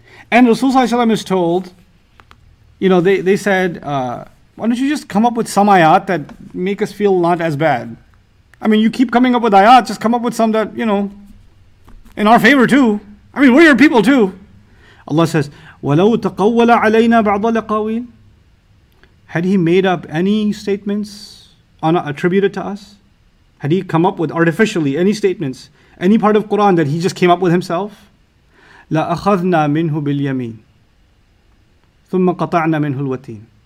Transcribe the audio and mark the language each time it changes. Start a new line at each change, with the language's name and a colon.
English: And Rasulullah is told, you know, they said, why don't you just come up with some ayat that make us feel not as bad? I mean, you keep coming up with ayat, just come up with some that, you know, in our favor too. I mean, we're your people too.
Arabic: Allah says, وَلَوْ تَقَوَّلَ عَلَيْنَا بَعْضَ الْأَقَوِيلِ.
English: Had he made up any statements attributed to us? Had he come up with artificially any statements, any part of Quran that he just came up with himself?
Arabic: لَأَخَذْنَا مِنْهُ بِالْيَمِينِ ثُمَّ قَطَعْنَا مِنْهُ الْوَتِينِ.